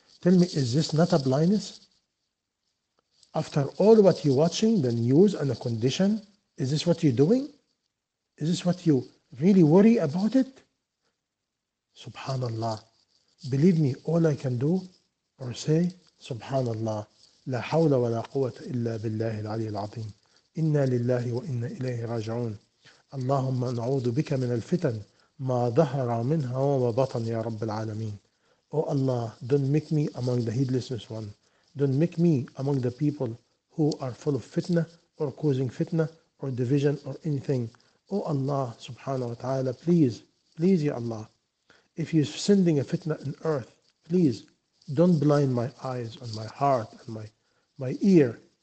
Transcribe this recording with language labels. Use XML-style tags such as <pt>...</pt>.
<en>Tell me, is this not a blindness? After all what you're watching, the news and the condition, is this what you're doing? Is this what you really worry about it? Subhanallah. Believe me, all I can do or say, Subhanallah.</en> <ar>لا حول ولا قوة إلا بالله العلي العظيم. إنا لله وإنا إليه راجعون. اللهم نعوذ بك من الفتن ما ظهر منها وما بطن يا رب العالمين.</ar> <en>Oh Allah, don't make me among the heedlessness one. Don't make me among the people who are full of fitna or causing fitna or division or anything. Oh Allah, subhanahu wa ta'ala, please, please, Ya Allah, if you're sending a fitna on earth, please, don't blind my eyes and my heart and my ear.</en>